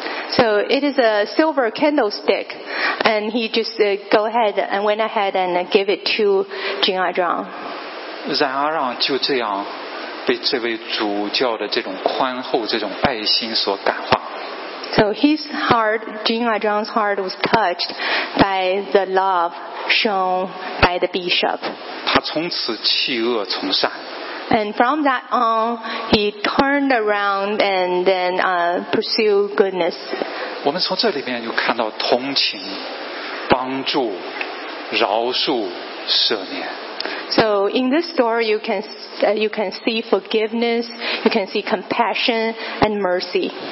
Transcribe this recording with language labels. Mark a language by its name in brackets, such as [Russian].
[English] So it is a silver candlestick, and he just went ahead and gave it to Jin Arang. [Chinese] 冉阿让就这样被这位主教的这种宽厚、这种爱心所感化。 [English] So his heart, Jin Ajong's heart, was touched by the love shown by the bishop. [Chinese] 他从此弃恶从善。 [English] And from that on, he turned around and then pursued goodness. [Chinese] 我们从这里面就看到同情、帮助、饶恕、赦免。 [English] So in this story, you can see forgiveness, you can see compassion and mercy.